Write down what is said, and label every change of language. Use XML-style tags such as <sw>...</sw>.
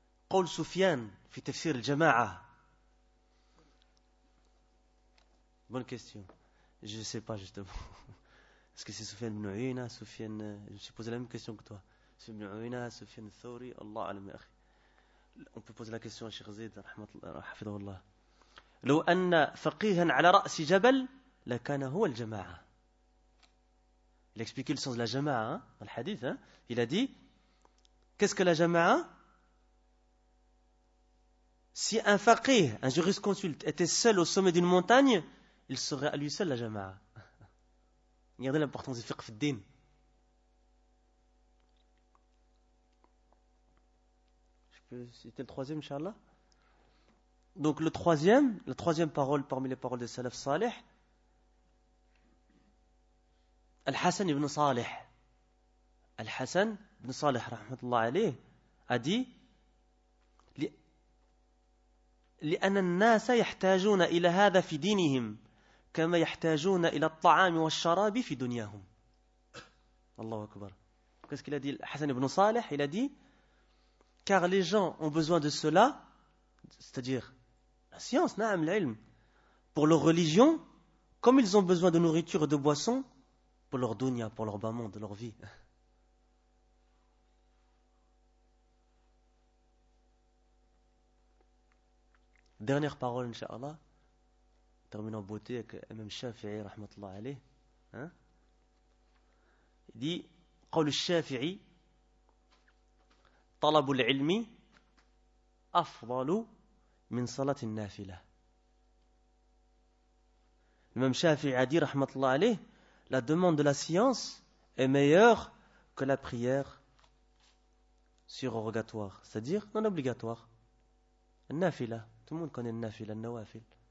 <ar>قول سفيان في تفسير الجماعة.</ar> <fr>Bonne question. Je ne sais pas justement. Est-ce que c'est Sufyan ibn Uyayna, Sufyan... Je me suis posé la même question que toi. Sufyan ibn Uyayna, Sufyan al-Thawri, Allah alam ya akhi. On peut poser la question à Cheikh Zayd, rahmatullah, hafidhahullah.</fr> <ar>لو أن فقيها على رأس جبل لكان هو الجماعة.</ar> <fr>Il a expliqué le sens de la jama'a dans le hadith. Il a dit, qu'est-ce que la jama'a? Si un faqih, un jurisconsulte, était seul au sommet d'une montagne, il serait à lui seul la jama'a. Regardez l'importance du fiqh fid-din. Je peux citer le troisième, inshallah. Donc le troisième, la troisième parole parmi les paroles des salaf salih, Al-Hassan ibn Salih. Al-Hassan ibn Salih, rahmatullah alayh, a dit</fr> <ar>لأن الناس يحتاجون إلى هذا في دينهم كما يحتاجون إلى الطعام والشراب في دنياهم. الله أكبر.</ar> <fr>Qu'est-ce qu'il a dit Hassan ibn Salih? Il a dit, car les gens ont besoin de cela, c'est-à-dire la science, na'am, l'ilm, pour leur religion, comme ils ont besoin de nourriture et de boisson pour leur dunya, pour leur bas monde, leur vie. Dernière parole, inshallah. Terminons en beauté avec Imam Shafi'i, rahmatullah alayh. Il dit,</fr> <ar>قول الشافعي طلب العلم أفضل من صلاة النافلة.</ar> <fr>Imam Shafi'i a dit, rahmatullah alayh, la demande de la science est meilleure que la prière surrogatoire, c'est-à-dire non obligatoire. Nafila. Tout le monde connaît le nafil, le nawafil.</fr>